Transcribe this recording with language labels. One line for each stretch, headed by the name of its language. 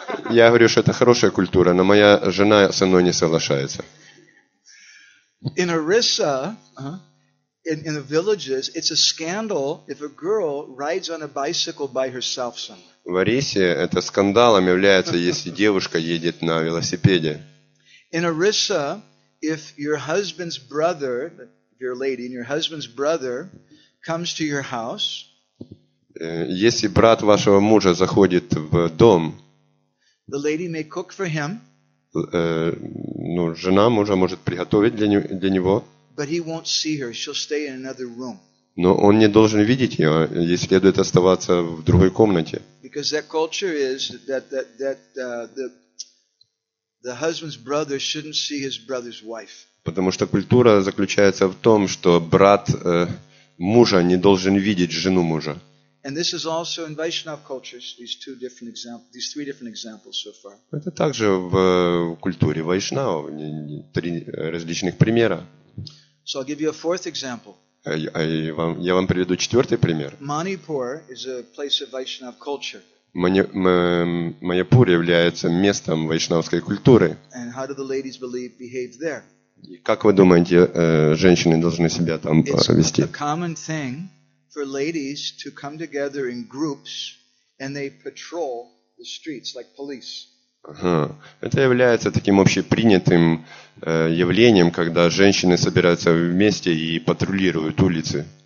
Russian: Я говорю, что это хорошая культура, но моя жена со мной не соглашается.
English: In Orissa, in the villages, it's a scandal if a girl rides on a bicycle by herself somewhere.
Russian: В Орисе это скандалом является, если девушка едет на велосипеде.
English: In Orissa, if your husband's brother, your lady, and your husband's brother comes to your house,
Russian: если брат вашего мужа заходит в дом,
English: the lady may cook for him,
Russian: ну, жена мужа может приготовить для него,
English: but he won't see her, she'll stay in another room.
Russian: Но он не должен видеть ее, ей следует оставаться в другой комнате.
English: Because that culture is that the husband's brother shouldn't see his brother's wife.
Russian: Потому что культура заключается в том, что брат мужа не должен видеть жену мужа.
English: And this is also in Vaishnav cultures, these three different examples so far.
Russian: Это также в культуре Вайшнав, три различных примера.
English: So I'll give you a fourth example.
Russian: Я вам приведу четвертый пример.
English: Manipur is a place of Vaishnav culture.
Russian: Майяпур является местом вайшнавской культуры.
English: And how do the ladies believe behave there?
Russian: Как вы думаете, женщины должны себя там вести?
English: It's a common thing for ladies to come together in groups and they patrol the streets like police.
Russian: Это является таким общепринятым явлением, когда женщины собираются вместе и патрулируют улицы.